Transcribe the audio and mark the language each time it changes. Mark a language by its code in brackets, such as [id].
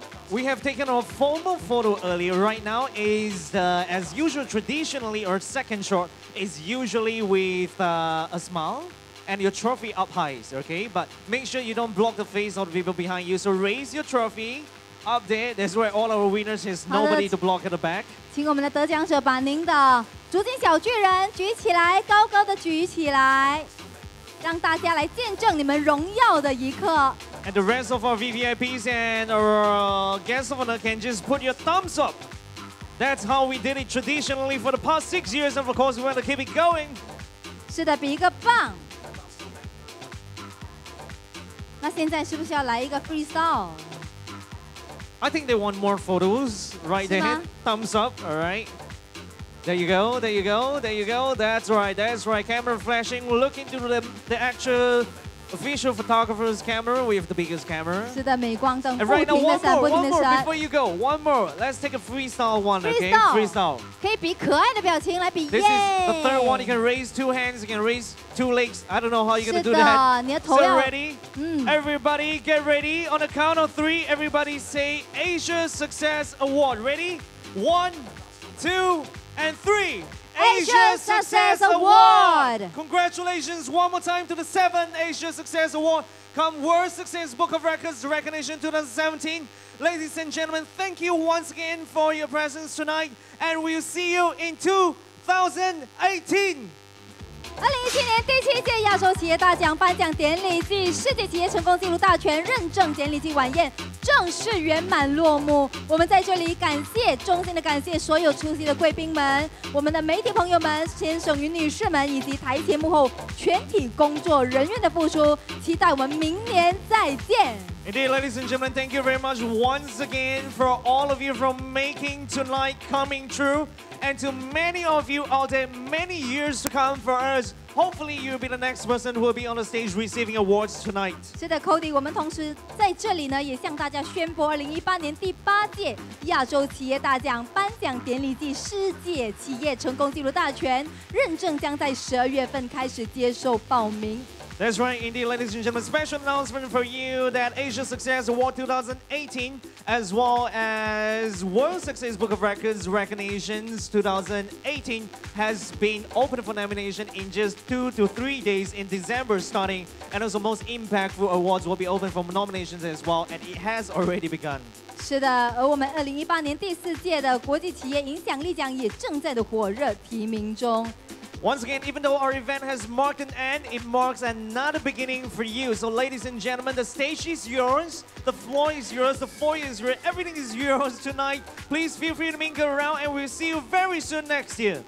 [en] We have taken a formal photo earlier. Right now is, as usual, traditionally, our second shot is usually with a smile and your trophy up high, okay? But make sure you don't block the face of the people behind you. So raise your trophy up there. That's where all our winners is. Nobody to block at the back. [zh] 请我们的得奖者把您的竹井小巨人举起来，高高的举起来，让大家来见证你们荣耀的一刻。 [en] And the rest of our VVIPs and our guests of honor can just put your thumbs up. That's how we did it traditionally for the past 6 years, and of course we want to keep it going. [zh] 是的，比一个棒。那现在是不是要来一个 freestyle? [en] I think they want more photos. Right there, thumbs up. All right. There you go. There you go. There you go. That's right. That's right. Camera flashing. Looking to the actual. Official photographer's camera, we have the biggest camera. [zh] 是的，美光灯不停地闪，不停地闪。 [en] One more before you go. One more. Let's take a freestyle one, okay? Freestyle. [zh] 可以比可爱的表情来比耶。 [en] This is the third one. You can raise two hands. You can raise two legs. I don't know how you're gonna do that. [zh] 是的，你的头要。 [en] So ready? Everybody get ready. On the count of three, everybody say Asia Success Award. Ready? One, two, and three. Asia Success Award! Congratulations one more time to the 7th Asia Success Award Come World Success Book of Records Recognition 2017. Ladies and gentlemen, thank you once again for your presence tonight, and we'll see you in 2018! [zh] 2017年第七届亚洲企业大奖颁奖典礼暨世界企业成功纪录大全认证典礼暨晚宴正式圆满落幕。我们在这里感谢，衷心的感谢所有出席的贵宾们，我们的媒体朋友们、先生与女士们，以及台前幕后全体工作人员的付出。期待我们明年再见。 [en] Indeed, ladies and gentlemen, thank you very much once again for all of you for making tonight coming true. And to many of you out there, many years to come for us, hopefully you'll be the next person who will be on the stage receiving awards tonight. [zh] 是的 ,Cody, 我们同时在这里呢也向大家宣布2018年第八届亚洲企业大奖颁奖典礼暨世界企业成功纪录大全认证将在12月份开始接受报名。 [en] That's right, indeed, ladies and gentlemen. Special announcement for you that Asia Success Award 2018, as well as World Success Book of Records Recognitions 2018, has been open for nomination in just 2 to 3 days in December starting. And also most impactful awards will be open for nominations as well, and it has already begun. [zh] 是的，而我们2018年第四届的国际企业影响力奖也正在的火热提名中。 [en] Once again, even though our event has marked an end, it marks another beginning for you. So, ladies and gentlemen, the stage is yours, the floor is yours, the foyer is yours, everything is yours tonight. Please feel free to mingle around, and we'll see you very soon next year.